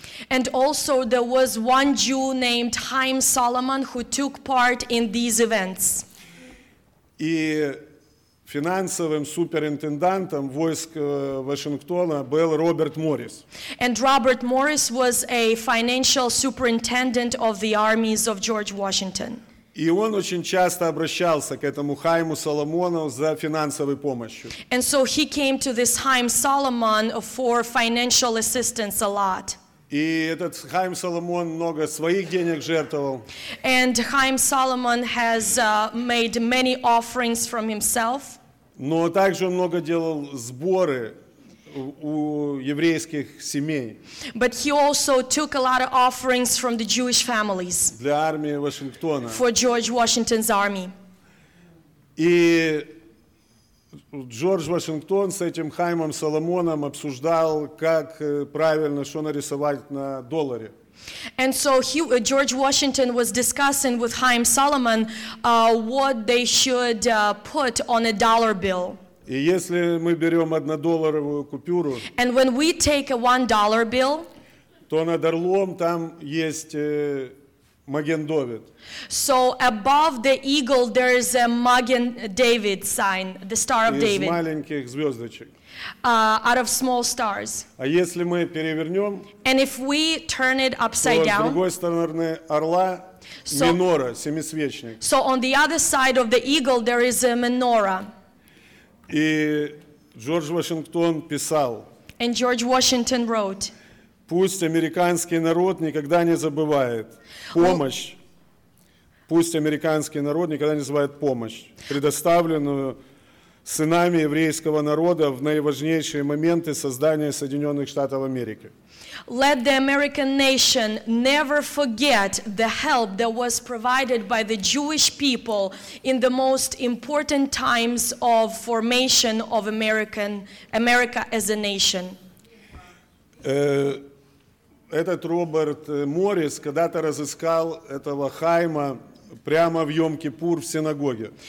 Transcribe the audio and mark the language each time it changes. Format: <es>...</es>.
<en>And also there was one Jew named Chaim Solomon who took part in these events.</en> <ru>И финансовым суперинтендантом войск Вашингтона был Роберт Моррис.</ru> <en>And Robert Morris was a financial superintendent of the armies of George Washington.</en> <ru>И он очень часто обращался к этому Хаиму Соломону за финансовой помощью.</ru> <en>And so he came to this Chaim Solomon for financial assistance a lot.</en> <ru>И этот Хаим Соломон много своих денег жертвовал.</ru> <en>And Chaim Solomon has made many offerings from himself.</en> <ru>Но также он много делал сборы у еврейских семей.</ru> <en>But he also took a lot of offerings from the Jewish families.</en> <ru>Для армии Вашингтона.</ru> <en>For George Washington's army.</en> <ru>И Джордж Вашингтон с этим Хаимом Соломоном обсуждал, как правильно, что нарисовать на долларе.</ru> <en>And so he, George Washington was discussing with Chaim Solomon what they should put on a dollar bill.</en> <ru>И если мы берем однодолларовую купюру,</ru> <en>and when we take a $1 bill,</en> <ru>то над орлом там есть Маген Довид.</ru> <en>So above the eagle there is a Magen David sign, the Star of David.</en> <ru>Из маленьких звездочек.</ru> <en>Out of small stars.</en> <ru>А если мы перевернем,</ru> <en>and if we turn it upside down,</en> <ru>то с другой стороны орла минора, семисвечник.</ru> <en>So on the other side of the eagle there is a menorah.</en> <ru>И Джордж Вашингтон писал.</ru> <en>And George Washington wrote.</en> <ru>Пусть американский народ никогда не забывает помощь. Пусть американский народ никогда не забывает помощь, предоставленную сынами еврейского народа в наиважнейшие моменты создания Соединенных Штатов Америки.</ru> <en>Let the American nation never forget the help that was provided by the Jewish people in the most important times of formation of America as a nation.</en> <ru>Этот Роберт Моррис когда-то разыскал этого Хайма прямо в Йом-Кипур в синагоге.</ru>